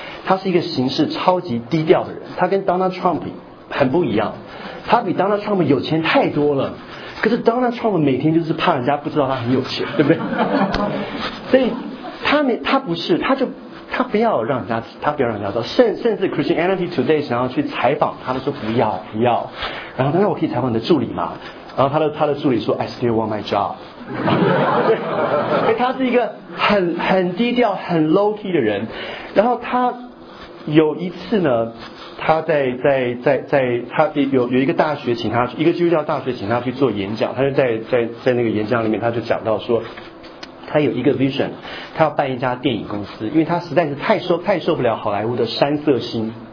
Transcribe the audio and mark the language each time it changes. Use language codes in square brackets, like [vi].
[zh] 他是一个行事超级低调的人，他跟 Donald Trump 很不一样，他比 Donald Trump 有钱太多了。可是 Donald Trump 每天就是怕人家不知道他很有钱，对不对？所以他不要让人家，他不要让人家知道。甚至 Christianity Today 想要去采访他，都说不要不要。然后他说，我可以采访你的助理吗？然后他的助理说 [en] I still want my job。 [zh] 他是一个很低调很 low key 的人。然后他有一次呢，他在他有一个大学请他，一个基督教大学请他去做演讲。他就在那个演讲里面，他就讲到说，他有一个 vision， 他要办一家电影公司，因为他实在是太受不了好莱坞的山色心。